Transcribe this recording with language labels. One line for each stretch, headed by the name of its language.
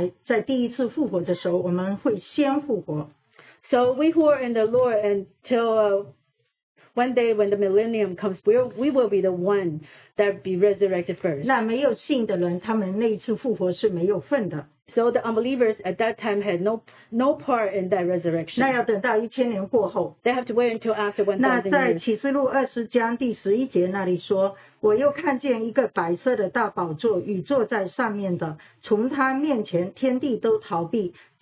Chinese: 所以我们在主里面的人，我们将来在第一次复活的时候，我们会先复活。
English: So we who are in the Lord until one day when the millennium comes, we will be the one that be resurrected first.
Chinese: 那没有信的人，他们那一次复活是没有份的。
English: So the unbelievers at that time had no part in that resurrection.
Chinese: 那要等到1000年过后。
English: They have to wait until after 1000 years.
Chinese: 那在启示录20章第11节那里说，我又看见一个白色的大宝座与坐在上面的，从他面前天地都逃避。